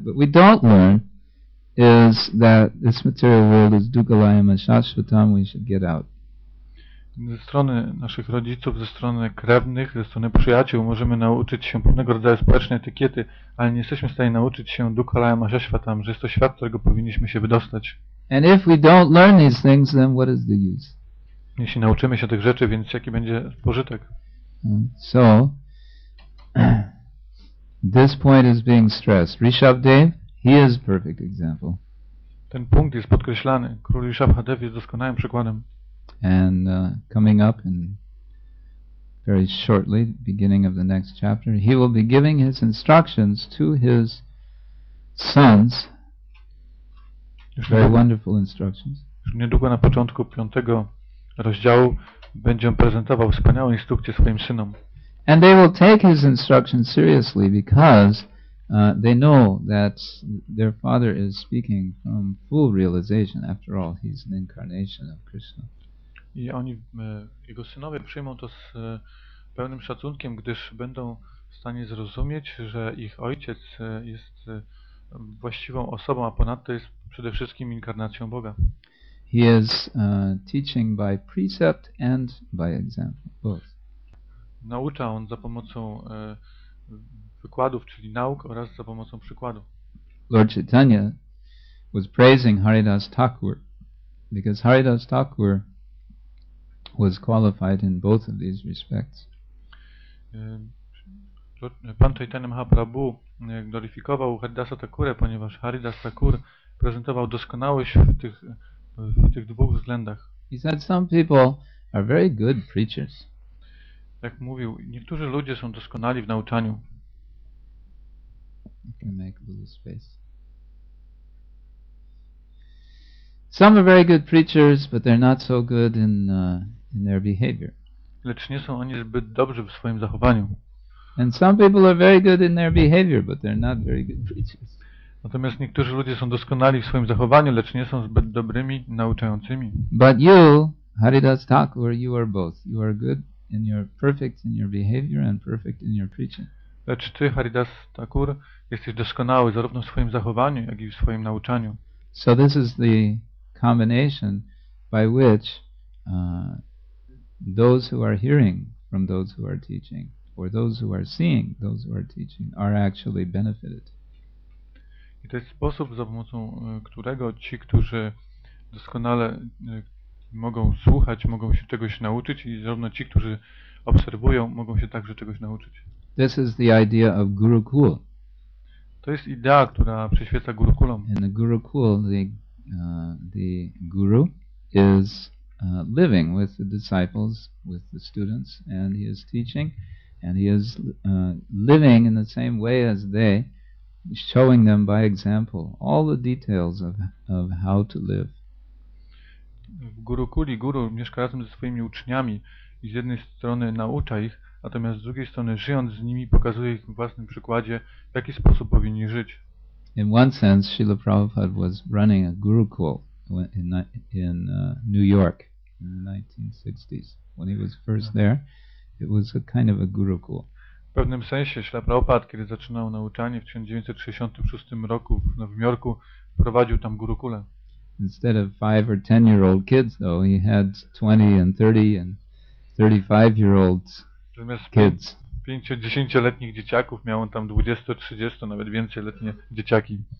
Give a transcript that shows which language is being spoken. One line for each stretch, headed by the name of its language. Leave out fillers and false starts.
English: But we don't learn is that this material world is dukkhalayam ashashvatam, we should get out.
Polish: Ze strony naszych rodziców, ze strony krewnych, ze strony przyjaciół możemy nauczyć się pewnego rodzaju społecznej etykiety, ale nie jesteśmy w stanie nauczyć się dukkhalayam ashashvatam, że jest to świat, którego powinniśmy się wydostać.
English: And if we don't learn these things, then what is the use?
Polish: Jeśli nauczymy się tych rzeczy, więc jaki będzie pożytek?
English: So, this point is being stressed. Rishabhdev, he is a perfect example.
Polish: Ten punkt jest podkreślany. Król Rishabhdev jest doskonałym przykładem.
English: And coming up in very shortly, beginning of the next chapter, he will be giving his instructions to his sons. Very wonderful instructions.
Polish: Już niedługo na początku piątego rozdziału będzie on prezentował wspaniałe instrukcje swoim synom.
English: And they will take his instructions seriously because they know that their father is speaking from full realization. After all, he's an incarnation of Krishna.
Polish: I oni, jego synowie przyjmą to z pełnym szacunkiem, gdyż będą w stanie zrozumieć, że ich ojciec jest właściwą osobą, a ponadto jest przede wszystkim inkarnacją Boga.
English: He is teaching by precept and by example, both.
Polish: Naucza on za pomocą wykładów, czyli nauk, oraz za pomocą przykładu.
English: Lord Chaitanya was praising Haridas Thakur because Haridas Thakur was qualified in both of these respects.
Polish: Pan Chaitanya Mahaprabhu gloryfikował Haridasa Thakurę, ponieważ Haridas Thakur prezentował doskonałość w tych dwóch względach.
English: He said some people are very good preachers.
Polish: Jak mówił, niektórzy ludzie są doskonali w nauczaniu.
English: I can make a little space. Some are very good preachers, but they're not so good in their behavior.
Polish: Lecz nie są oni zbyt dobrzy w swoim zachowaniu.
English: And some people are very good in their behavior, but they're not very good preachers.
Polish: Natomiast niektórzy ludzie są doskonali w swoim zachowaniu, lecz nie są zbyt dobrymi nauczającymi.
English: But you, Haridas Thakur, you are both. You are good in your perfect in your behavior and perfect in your preaching.
Polish: Lecz ty, Haridas Thakur, jesteś doskonały zarówno w swoim zachowaniu, jak i w swoim nauczaniu.
English: So this is the combination by which those who are hearing from those who are teaching, or those who are seeing those who are teaching, are actually benefited.
Polish: I to jest sposób, za pomocą którego ci, którzy doskonale mogą słuchać, mogą się czegoś nauczyć i zarówno ci, którzy obserwują, mogą się także czegoś nauczyć.
English: This is the idea of Gurukul.
Polish: To jest idea, która przyświeca gurukulom.
English: In the gurukul, the guru is living with the disciples, with the students, and he is teaching, and he is living in the same way as they, showing them by example all the details of how to live.
Polish: W gurukuli guru mieszka razem ze swoimi uczniami i z jednej strony naucza ich, natomiast z drugiej strony żyjąc z nimi pokazuje ich w własnym przykładzie, w jaki sposób powinni żyć.
English: In one sense, Srila Prabhupada was running a gurukul in New York in the 1960s. When he was first there, it was a kind of a gurukul.
Polish: W pewnym sensie Srila Prabhupada, kiedy zaczynał nauczanie w 1966 roku w Nowym Jorku, prowadził tam gurukulę.
English: Instead of 5 or 10 year old kids though, he had 20 and 30 and 35 year old kids.
Polish: 5-10-letnich dzieciaków miał on tam 20-30, nawet więcej letnie dzieciaki.